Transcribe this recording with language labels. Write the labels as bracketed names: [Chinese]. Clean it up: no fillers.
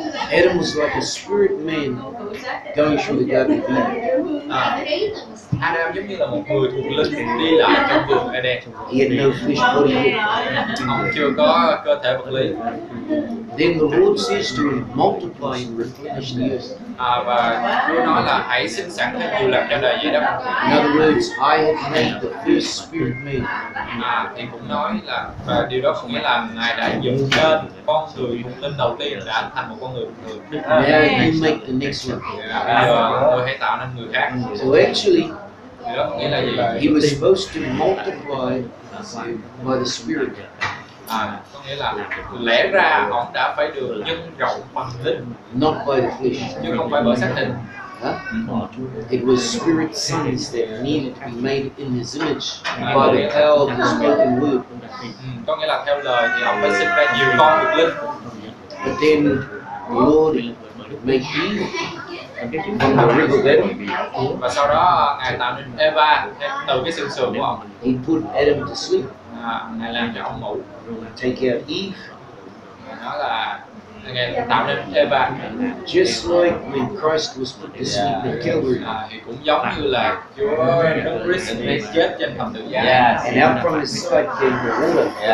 [English] Adam was like a spirit man going through the garden of Eden. [Vietnamese] Adam giống như là một người thuộc linh thì đi lại trong vườn Eden. [English] He had no physical body. [Vietnamese] Ông chưa có cơ thể vật lý. [English] Then the Lord says to him, multiply and replenish the earth. [Vietnamese] À, và Chúa nói là hãy sinh sản thêm nhiều lần trên đời dưới đất. [English] In other words, I have made the first spirit man. [Vietnamese] À, thì cũng nói là và điều đó cũng nghĩa là Ngài đã dựng nên con người thuộc linh đầu tiên đã thành một con người thuộc linh. [English] Now you make the next one. [Vietnamese] Tôi hãy tạo nên người khác. [English] So actually, [Vietnamese] nghĩa là gì? [English] He was supposed to multiply by the Spirit. [Vietnamese] À, có nghĩa là lẽ ra ông đã phải được nhân rộng bằng linh, [English] not by the flesh, [Vietnamese] chứ không phải bởi xác thịt. Huh? [English] It was spirit sons that needed to be made in his image by the power of the spoken word. [Vietnamese] Có nghĩa là theo lời thì ông phải sinh ra nhiều con thuộc linh. [English] But then the Lord made Eve from the rib of Adam. [Vietnamese] Và sau đó Ngài tạo nên Eva từ cái xương sườn của ông. [English] He put Adam to sleep. [Vietnamese] Ngài làm cho ông ngủ. [English] Take care of Eve. [Vietnamese] Đó là tạo nên Eva. [English] Just like when Christ was put to sleep in Calvary. [Vietnamese] Thì cũng giống như là Chúa Đức Christ bị chết trên thập tự giá. [English] And out from his sweat came the water.